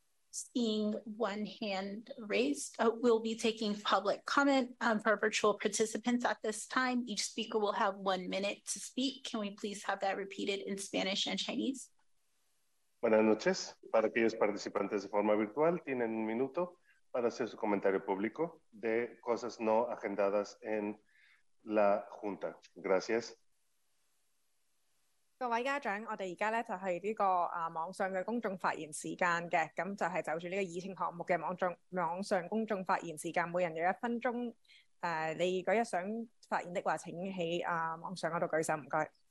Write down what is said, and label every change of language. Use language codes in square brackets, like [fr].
[en] Seeing one hand raised, we'll be taking public comment for virtual participants at this time. Each speaker will have 1 minute to speak. Can we please have that repeated in Spanish and Chinese? [es] Buenas noches. Para aquellos participantes de forma virtual, tienen un minuto para hacer su comentario público de cosas no agendadas en la Junta. Gracias. [zh] 各位家長，我們現在就是這個網上的公眾發言時間，就是就著這個議程項目的網上公眾發言時間，每人有一分鐘，你如果想發言的話，請在網上舉手，麻煩。